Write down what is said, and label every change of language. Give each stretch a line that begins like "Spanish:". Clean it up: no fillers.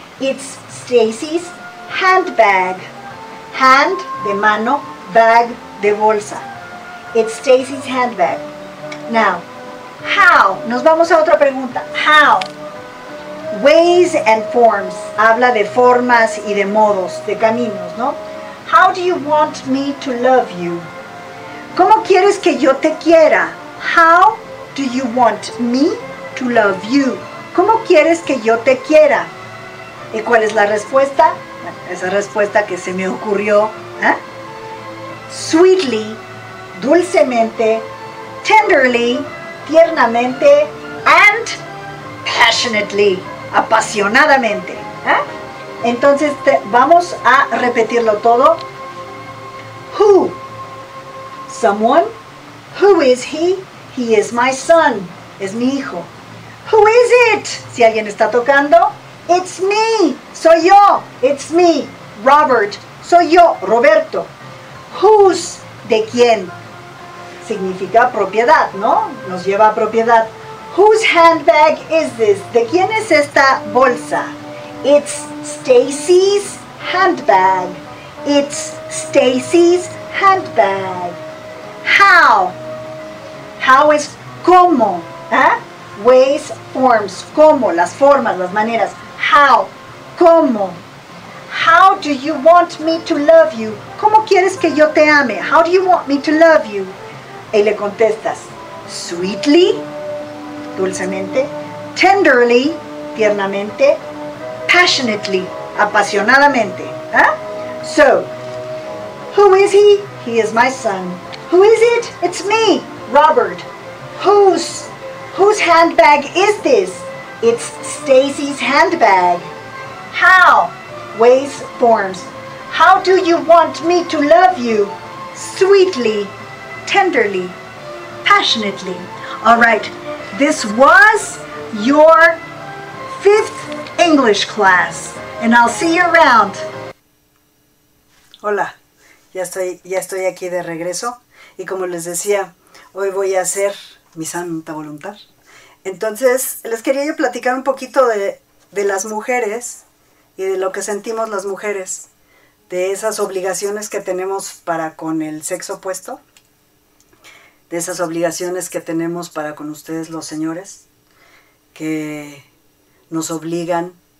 English: It's Stacy's handbag. Hand,
Spanish: de mano,
English: bag,
Spanish: de bolsa.
English: It's Stacy's handbag. Now, how?
Spanish: Nos vamos a otra pregunta.
English: How? Ways and forms.
Spanish: Habla de formas y de modos, de caminos, ¿no?
English: How do you want me to love you?
Spanish: ¿Cómo quieres que yo te quiera?
English: How do you want me to love you?
Spanish: ¿Cómo quieres que yo te quiera? ¿Y cuál es la respuesta? Esa respuesta que se me ocurrió, ¿eh?
English: Sweetly,
Spanish: dulcemente,
English: tenderly,
Spanish: tiernamente,
English: and passionately,
Spanish: apasionadamente, ¿eh? Entonces, vamos a repetirlo todo.
English: Who? Someone. Who is he? He is my son.
Spanish: Es mi hijo.
English: Who is it?
Spanish: Si alguien está tocando.
English: It's me,
Spanish: soy yo,
English: it's me, Robert,
Spanish: soy yo, Roberto. Whose, de quién, significa propiedad, ¿no? Nos lleva a propiedad.
English: Whose handbag is this?
Spanish: ¿De quién es esta bolsa?
English: It's Stacy's handbag. It's Stacy's handbag. How?
Spanish: How es cómo, ¿eh?
English: Ways, forms,
Spanish: cómo, las formas, las maneras.
English: How?
Spanish: ¿Cómo?
English: How do you want me to love you?
Spanish: ¿Cómo quieres que yo te ame?
English: How do you want me to love you?
Spanish: Y le contestas,
English: sweetly,
Spanish: dulcemente,
English: tenderly,
Spanish: tiernamente,
English: passionately,
Spanish: apasionadamente.
English: So, who is he? He is my son. Who is it? It's me, Robert. Whose handbag is this? It's Stacy's handbag. How? Ways, forms. How do you want me to love you? Sweetly, tenderly, passionately. All right, this was your fifth English class, and I'll see you around.
Spanish: Hola, ya estoy aquí de regreso, y como les decía, hoy voy a hacer mi santa voluntad. Entonces, les quería yo platicar un poquito de las mujeres y de lo que sentimos las mujeres, de esas obligaciones que tenemos para con el sexo opuesto, de esas obligaciones que tenemos para con ustedes los señores, que nos obligan,